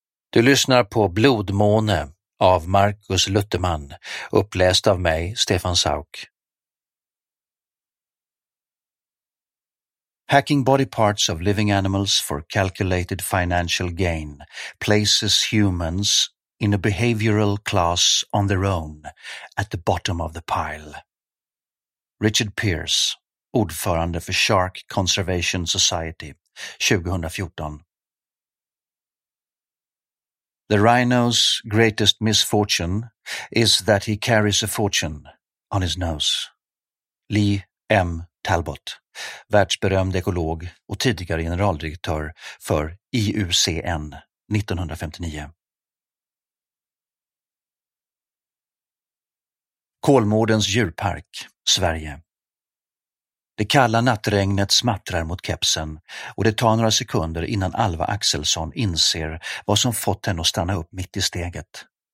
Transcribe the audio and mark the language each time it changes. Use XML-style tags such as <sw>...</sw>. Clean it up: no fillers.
<sv>Du lyssnar på Blodmåne av Markus Lutterman, uppläst av mig, Stefan Sauk.</sv> <en>Hacking body parts of living animals for calculated financial gain places humans in a behavioral class on their own at the bottom of the pile.</en> <sv>Richard Pierce, ordförande för Shark Conservation Society, 2014.</sv> <en>The rhino's greatest misfortune is that he carries a fortune on his nose.</en> <sv>Lee M. Talbot, världsberömd ekolog och tidigare generaldirektör för IUCN, 1959. Kolmårdens djurpark, Sverige. Det kalla nattregnet smattrar mot kepsen och det tar några sekunder innan Alva Axelsson inser vad som fått henne att stanna upp mitt i steget.</sv>